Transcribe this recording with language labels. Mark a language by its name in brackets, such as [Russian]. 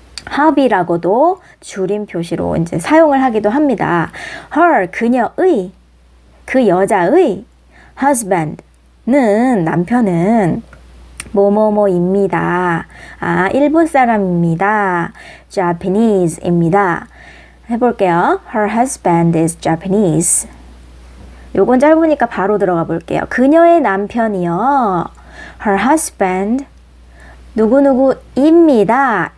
[Korean] Hub이라고도 줄임 표시로 이제 사용을 하기도 합니다. Her, 그녀의, 그 여자의 husband는, 남편은 뭐뭐뭐입니다. 아, 일본 사람입니다. Japanese입니다. 해볼게요. [English] Her husband is Japanese. [Korean] 요건 짧으니까 바로 들어가 볼게요. 그녀의 남편이요. [English] Her husband [Korean] 누구누구입니다.